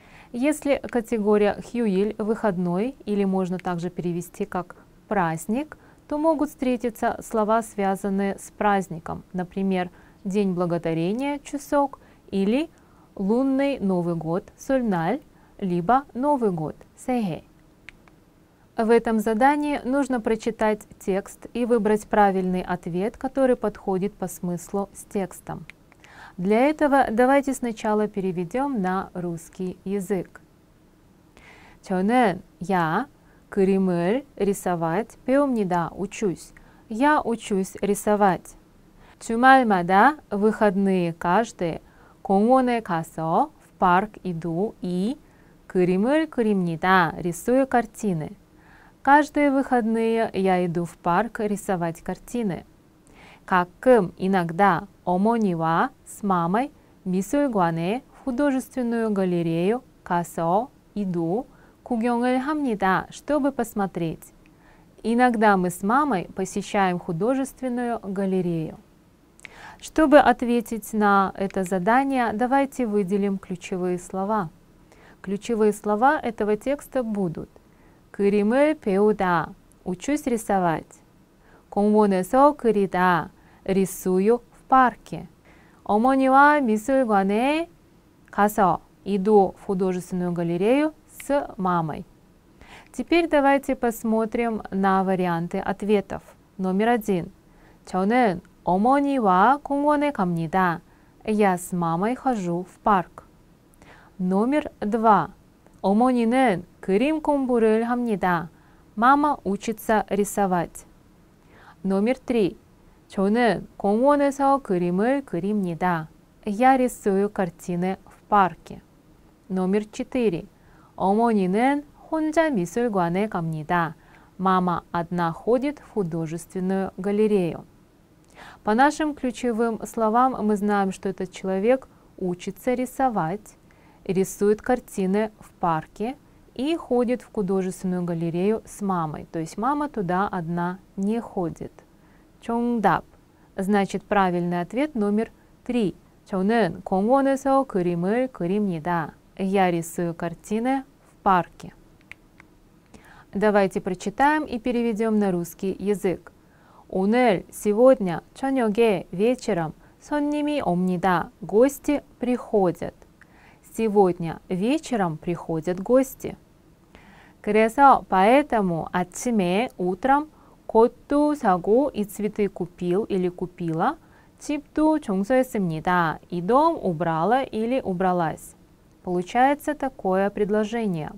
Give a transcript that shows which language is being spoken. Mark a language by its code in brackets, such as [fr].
[ru] Если категория хьюиль, выходной, или можно также перевести как праздник, то могут встретиться слова, связанные с праздником, например, день благодарения, чусок, или лунный новый год, сольналь, либо новый год, сэгэ. В этом задании нужно прочитать текст и выбрать правильный ответ, который подходит по смыслу с текстом. Для этого давайте сначала переведем на русский язык. [ko] 저는 [ru] я [ko] 그림을 [ru] рисовать [ko] 배웁니다. [ru] Учусь. Я учусь рисовать. [ko] 주말마다 [ru] выходные каждые [ko] 공원에 가서 [ru] в парк иду и [ko] 그림을 그립니다. [ru] Рисую картины. Каждые выходные я иду в парк рисовать картины. [ko] Каккым [ru] иногда [ko] омонива [ru] с мамой [ko] мисульгване [ru] в художественную галерею [ko] касо [ru] иду [ko] кугёнгэль хамнида, [ru] чтобы посмотреть. Иногда мы с мамой посещаем художественную галерею. Чтобы ответить на это задание, давайте выделим ключевые слова. Ключевые слова этого текста будут: [ko] кыриме пеуда, [ru] учусь рисовать; [ko] комвонесо кырида, [ru] рисую в парке; [ko] омонива мисульгане, касо, [ru] иду в художественную галерею с мамой. Теперь давайте посмотрим на варианты ответов. Номер один. [ko] 저는 어머니와 공원에 갑니다. [ru] Я с мамой хожу в парк. Номер 2. [ko] 어머니는 그림 공부를 합니다. [ru] Мама учится рисовать. Номер 3. [ko] 저는 공원에서 그림을 그립니다. [ru] Я рисую картины в парке. Номер 4. [ko] 어머니는 혼자 미술관에 갑니다. [ru] Мама одна ходит в художественную галерею. По нашим ключевым словам мы знаем, что этот человек учится рисовать, рисует картины в парке и ходит в художественную галерею с мамой. То есть мама туда одна не ходит. [ko] 정답. [ru] Значит, правильный ответ номер 3. [ko] 저는 공원에서 그림을 그립니다. [ru] Я рисую картины в парке. Давайте прочитаем и переведем на русский язык. [ko] 오늘, [ru] сегодня, [ko] 저녁에, [ru] вечером, [ko] 손님이 옵니다. [ru] Гости приходят. Сегодня вечером приходят гости. [ko] 그래서, [ru] поэтому, [ko] 아침에, [ru] утром, [ko] 꽃도 사고, [ru] и цветы купил или купила, [ko] 집도 청소했습니다. [ru] И дом убрала или убралась. Получается такое предложение.